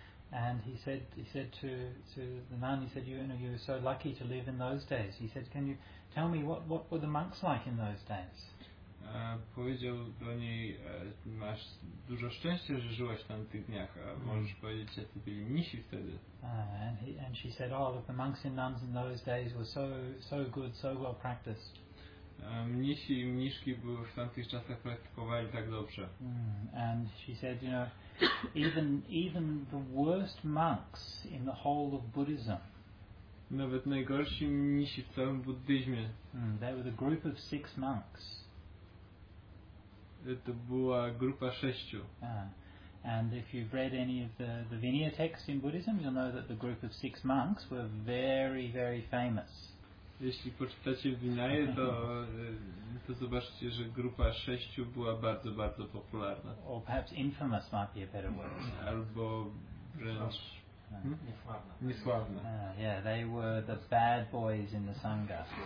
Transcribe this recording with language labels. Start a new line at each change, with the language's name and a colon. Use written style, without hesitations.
English: And he said to the nun, he said, you were so lucky to live in those days. He said, can you tell me what were the monks like in those days?
Polish: Powiedział do niej, masz dużo szczęścia, że żyłaś tam w tych dniach, a możesz powiedzieć, jacy byli mnisi wtedy.
English: And she said, oh, look, the monks and nuns in those days were so good, so well practiced.
Polish: Mnisi i mniszki były w tamtych czasach praktykowali tak dobrze.
English: And she said, you know, even the worst monks in the whole of Buddhism.
Polish: Nawet najgorsi mnisi w całym buddyzmie.
English: They were the group of six monks.
Polish: To była grupa sześciu.
English: And if you've read any of the Vinaya texts in Buddhism, you'll know that the group of six monks were very, very famous.
Polish: Jeśli poczytacie Vinaya, to zobaczycie, że grupa sześciu była bardzo, bardzo popularna.
English: Or perhaps infamous might be a better word.
Polish: Albo wręcz niesławna.
English: Yeah, they were the bad boys in the Sangha.